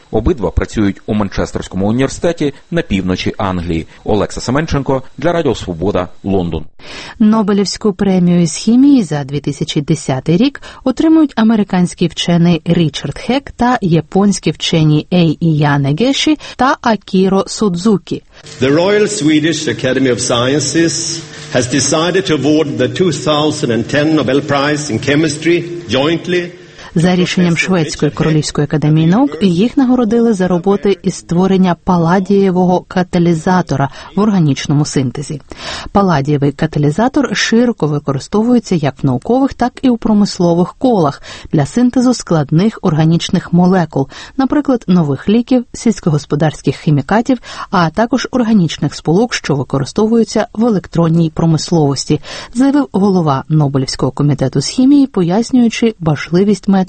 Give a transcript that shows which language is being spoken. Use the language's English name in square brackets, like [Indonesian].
[Ukrainian] Обидва працюють у Манчестерському університеті на півночі Англії. Олекса Семенченко для Радіо Свобода, Лондон. Нобелівську премію з хімії за 2010 рік отримують американський вчений Річард Хек та японські вчені Ей Іяне Геші та Акіро Судзукі. [English] The Royal Swedish Academy of Sciences has decided to award the 2010 Nobel Prize in Chemistry jointly. [Ukrainian] За рішенням Шведської Королівської академії наук їх нагородили за роботи із створення паладієвого каталізатора в органічному синтезі. Паладієвий каталізатор широко використовується як в наукових, так і у промислових колах для синтезу складних органічних молекул, наприклад, нових ліків, сільськогосподарських хімікатів, а також органічних сполук, що використовуються в електронній промисловості, заявив голова Нобелівського комітету з хімії, пояснюючи важливість методу.